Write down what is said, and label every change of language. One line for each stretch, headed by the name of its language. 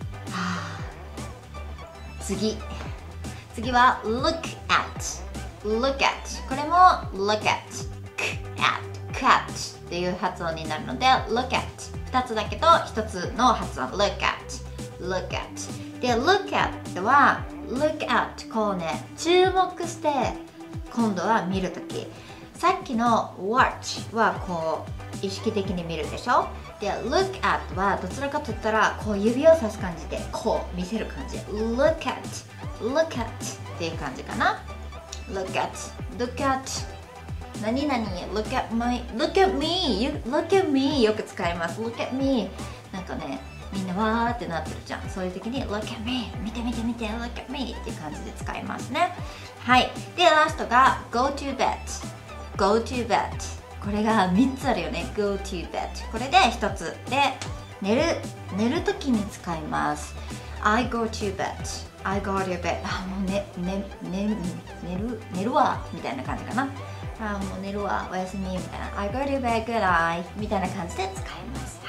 Japanese: はあ、次は look at look at これも look at k at k at っていう発音になるので look at 2つだけど1つの発音 look at look at で look at は look at こうね注目して今度は見るとき、さっきの watch はこう意識的に見るでしょ。で look at はどちらかといったらこう指を指す感じでこう見せる感じ look at look at っていう感じかな。
English: look at look at 何々 look at my look at me you, look at me
Japanese: よく使います。 look at me なんかねみんなわーってなってるじゃん。そういう時に
English: look at me
Japanese: 見て見て見て look at me っていう感じで使いますね。はい、でラストが go to bed go to bed これが3つあるよね。 go to bed これで1つで寝る時に使います。
English: I go to bed I go to bed
Japanese: あもう寝るわみたいな感じかな。あもう寝るわおやすみみたいな
English: I go to bed good night
Japanese: みたいな感じで使います。